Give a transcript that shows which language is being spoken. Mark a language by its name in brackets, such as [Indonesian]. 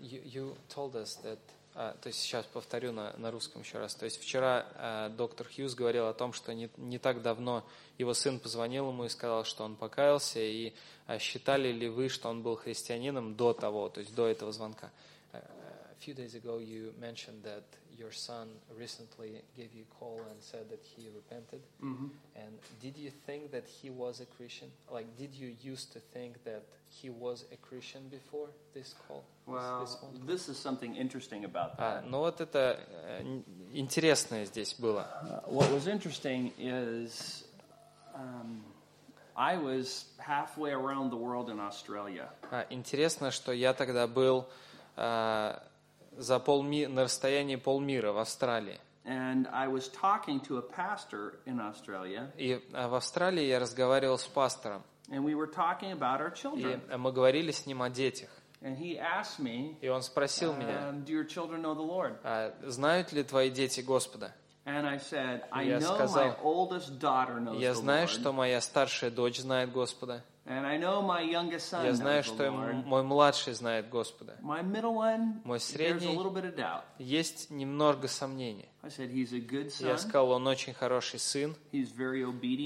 [Russian] То есть сейчас повторю на русском еще раз. То есть вчера доктор Хьюз говорил о том, что не так давно его сын позвонил ему и сказал, что он покаялся. И считали ли вы, что он был христианином до того, то есть до этого звонка? [English] A few days ago you mentioned that your son recently gave you a call and said that he repented. Mm-hmm. And did you think that he was a Christian? Like, did you used to think that he was a Christian before this call? Well, this is something interesting about that. [Russian] Ну вот это интересное здесь было. [English] What was interesting is I was halfway around the world in Australia. [Russian] Интересно, что я тогда был на расстоянии полмира в Австралии. [English] And I was talking to a pastor in Australia. [Russian] И в Австралии я разговаривал с пастором. [English] And we were talking about our children. [Russian] И мы говорили с ним о детях. [English] And he asked me, [Russian] и он спросил меня, [English] do your children know the Lord? [Russian] Знают ли твои дети Господа? [English] And I said, I know my oldest daughter knows the Lord. [Russian] Я знаю, что моя старшая дочь знает Господа. [English] And I know my youngest son. [Russian] Я знаю, что мой младший знает Господа. [English] My middle one, [Russian] мой средний, [English] there's a little bit of doubt. [Russian] Есть немного сомнений. [English] I said he's a good son. [Russian] Я сказал, он очень хороший сын. [English] He's very obedient.